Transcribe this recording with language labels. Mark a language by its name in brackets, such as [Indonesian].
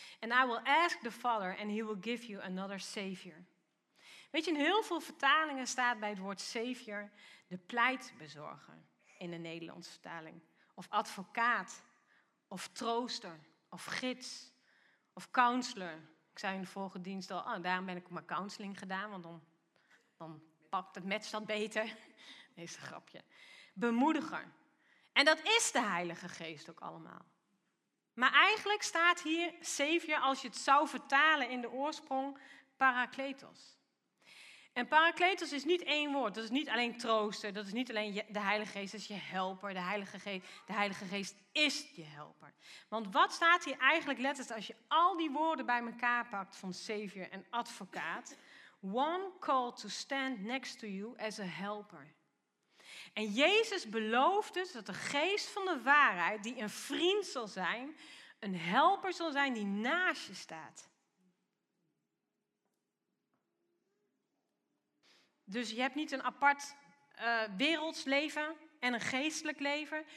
[English] And I will ask the Father and he will give you another Savior. [Dutch] Weet je, in heel veel vertalingen staat bij het woord Savior de pleitbezorger in de Nederlandse vertaling. Of advocaat, of trooster, of gids, of counselor. Ik zei in de vorige dienst al, oh, daarom ben ik op mijn counseling gedaan, want dan pakt het match dat beter. Nee, is een grapje. Bemoediger. En dat is de Heilige Geest ook allemaal. Maar eigenlijk staat hier Savior, als je het zou vertalen in de oorsprong, Parakletos. En Parakletos is niet één woord. Dat is niet alleen troosten. Dat is niet alleen de Heilige Geest is je helper. De Heilige Geest is je helper. Want wat staat hier eigenlijk letterlijk als je al die woorden bij elkaar pakt van Savior en advocaat? [English] One called to stand next to you as a helper. [Dutch] En Jezus belooft dus dat de geest van de waarheid, die een vriend zal zijn, een helper zal zijn die naast je staat. Dus je hebt niet een apart werelds leven en een geestelijk leven.